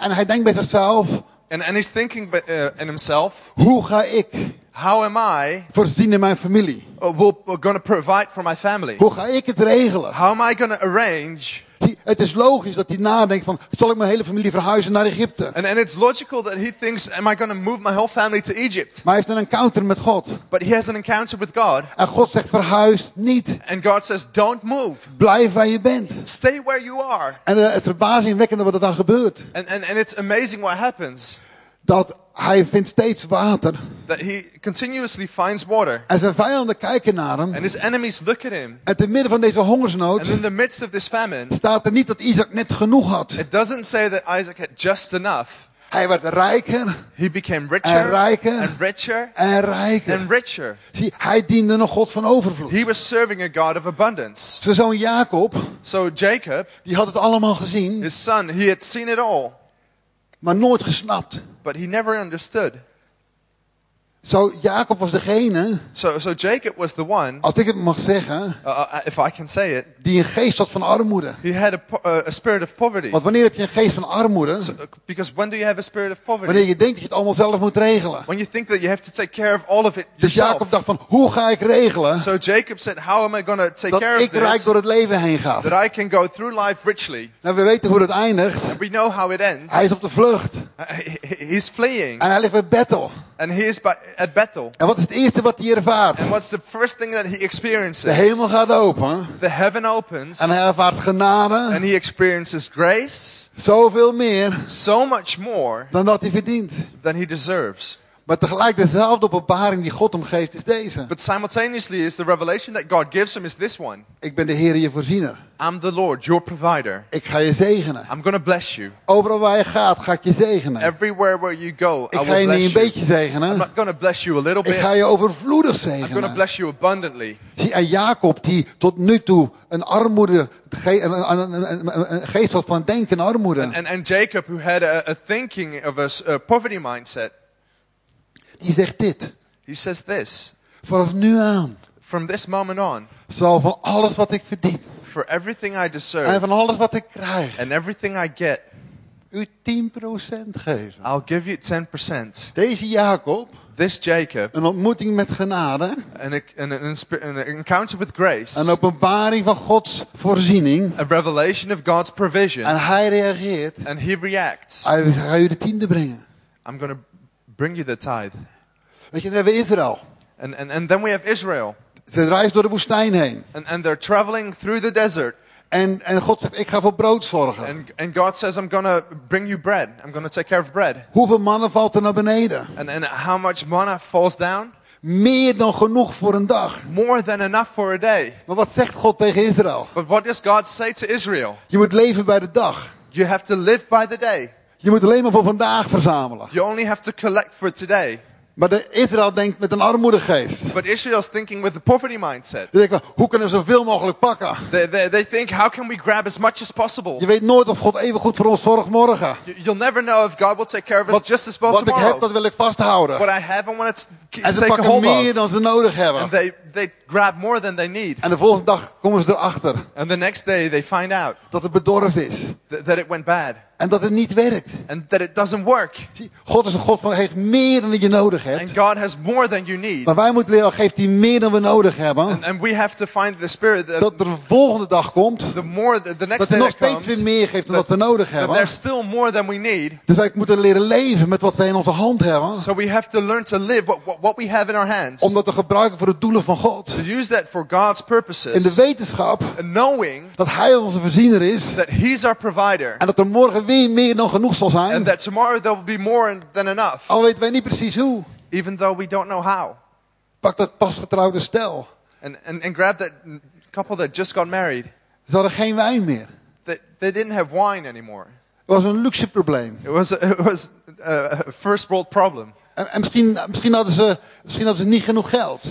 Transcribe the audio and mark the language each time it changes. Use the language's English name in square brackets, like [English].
[Dutch] En hij denkt bij zichzelf. [English] And he's thinking in himself. [Dutch] Hoe ga ik? [English] How am I? [Dutch] Voorzien in mijn familie. [English] We're going to provide for my family. [Dutch] Hoe ga ik het regelen? [English] How am I going to arrange? [Dutch] Het is logisch dat hij nadenkt van, zal ik mijn hele familie verhuizen naar Egypte? [English] And it's logical that he thinks, am I going to move my whole family to Egypt? [Dutch] Maar hij heeft een encounter met God. [English] But he has an encounter with God. [Dutch] En God zegt, verhuis niet. [English] And God says, don't move. [Dutch] Blijf waar je bent. [English] Stay where you are. [Dutch] En het verbazingwekkende wat er dan gebeurt. [English] And it's amazing what happens. [Dutch] Dat hij vindt steeds water. [English] That he continuously finds water. [Dutch] En zijn vijanden kijken naar hem. [English] And his enemies look at him. [Dutch] En te midden van deze hongersnood. [English] And in the midst of this famine. [Dutch] Staat er niet dat Isaac net genoeg had. [English] It doesn't say that Isaac had just enough. [Dutch] Hij werd rijker. [English] He became richer. [Dutch] En rijker. [English] And richer. [Dutch] En rijker. [English] And richer. [Dutch] Zie, hij diende een God van overvloed. [English] He was serving a God of abundance. [Dutch] Zijn zoon Jacob. [English] So Jacob. [Dutch] Die had het allemaal gezien. [English] His son, he had seen it all. [Dutch] Maar nooit gesnapt. [English] But he never understood. [Dutch] Zo, Jacob was degene. [English] So Jacob was the one. [Dutch] Als ik het mag zeggen. [English] If I can say it. [Dutch] Die een geest had van armoede. [English] He had a spirit of poverty. [Dutch] Want wanneer heb je een geest van armoede? [English] So, because when do you have a spirit of poverty? [Dutch] Wanneer je denkt dat je het allemaal zelf moet regelen. [English] When you think that you have to take care of all of it yourself. [Dutch] Dus Jacob dacht van, hoe ga ik regelen? [English] So Jacob said, how am I going to take care of this? [Dutch] Dat ik rijk door het leven heen ga. [English] That I can go through life richly. [Dutch] Nou, we weten hoe dat eindigt. [English] And we know how it ends. [Dutch] Hij is op de vlucht. [English] He's fleeing. [Dutch] En hij ligt bij Bethel. [English] And he is at Bethel. [Dutch] En wat is het eerste wat hij ervaart? [English] And what's the first thing that he experiences? [Dutch] De hemel gaat open. [English] The heaven opens. [Dutch] En hij ervaart genade. [English] And he experiences grace. [Dutch] Zoveel meer. [English] So much more. [Dutch] Dan dat hij verdient. [English] Than he deserves. [Dutch] Maar tegelijk dezelfde openbaring die God hem geeft is deze. [English] But simultaneously is the revelation that God gives him is this one. [Dutch] Ik ben de Heer, je voorziener. [English] I'm the Lord, your provider. [Dutch] Ik ga je zegenen. [English] I'm going to bless you. [Dutch] Overal waar je gaat, ga ik je zegenen. [English] Everywhere where you go, [Dutch] ik [English] I will bless you. [Dutch] Ik ga je een beetje zegenen. [English] I'm not going to bless you a little bit. [Dutch] Ik ga je overvloedig zegenen. [English] I'm going to bless you abundantly. [Dutch] Zie, en Jacob die tot nu toe een armoede, een geest had van denken armoede. [English] And Jacob who had a thinking of a poverty mindset. [Dutch] Die zegt dit. [English] He says this. [Dutch] Vanaf nu aan. [English] From this moment on. [Dutch] Zal van alles wat ik verdien. [English] For everything I deserve. [Dutch] En van alles wat ik krijg. [English] And everything I get. [Dutch] U 10% geven. [English] I'll give you 10%. [Dutch] Deze Jacob. [English] This Jacob. [Dutch] Een ontmoeting met genade. [English] An encounter with grace. [Dutch] Een openbaring van Gods voorziening. [English] A revelation of God's provision. [Dutch] En hij reageert. [English] And he reacts. [Dutch] Hij gaat u de tiende brengen. [English] I'm going to bring you the tithe. [Dutch] Weet je, dan hebben we Israël. [English] And then we have Israel. [Dutch] Ze reizen door de woestijn heen. [English] And they're traveling through the desert. [Dutch] En God zegt, ik ga voor brood zorgen. [English] And God says, I'm gonna bring you bread. I'm gonna take care of bread. [Dutch] Hoeveel manna valt er naar beneden? [English] And how much manna falls down? [Dutch] Meer dan genoeg voor een dag. [English] More than enough for a day. [Dutch] Maar wat zegt God tegen Israël? [English] But what does God say to Israel? [Dutch] Je moet leven bij de dag. [English] You have to live by the day. [Dutch] Je moet alleen maar voor vandaag verzamelen. [English] You only have to collect for today. [Dutch] Maar de Israël denkt met een armoedegeest. [English] But Israel's thinking with a poverty mindset. [Dutch] Die denken, hoe kunnen we zoveel mogelijk pakken? [English] They think, how can we grab as much as possible? [Dutch] Je weet nooit of God even goed voor ons zorgt morgen. [English] You'll never know if God will take care of us just as well [Dutch] wat [English] tomorrow. [Dutch] Wat ik heb, dat wil ik vasthouden. [English] What I have, I want to take hold of. [Dutch] En ze pakken meer dan ze nodig hebben. [English] And they grab more than they need. [Dutch] En de volgende dag komen ze erachter. [English] And the next day they find out [Dutch] dat het bedorven is. [English] That it went bad. [Dutch] En dat het niet werkt. [English] And that it doesn't work. [Dutch] God is een God van heeft meer dan je nodig hebt. [English] And God has more than you need. [Dutch] Maar wij moeten leren, geeft hij meer dan we nodig hebben. [English] And we have to find the spirit that [Dutch] dat er de volgende dag komt. [English] The more the next [Dutch] dat hij nog steeds weer meer geeft dan [English] that, [Dutch] wat we nodig hebben. [English] There's still more than we need. [Dutch] Dus wij moeten leren leven met wat wij in onze hand hebben. [English] So we have to learn to live what we have in our hands. [Dutch] Om dat te gebruiken voor de doelen van God. [English] To use that for God's purposes. [Dutch] In de wetenschap. [English] And knowing [Dutch] dat hij onze voorziener is. [English] That he's our provider. [Dutch] En dat er morgen weer meer dan genoeg zal zijn. [English] And that tomorrow there will be more than enough. [Dutch] Al weten wij niet precies hoe. [English] Even though we don't know how. [Dutch] Pak dat pasgetrouwde stel. [English] And grab that couple that just got married. [Dutch] Ze hadden geen wijn meer. [English] They didn't have wine anymore. [Dutch] Het was een luxe probleem. [English] It was a first world problem. [Dutch] En misschien hadden ze niet genoeg geld.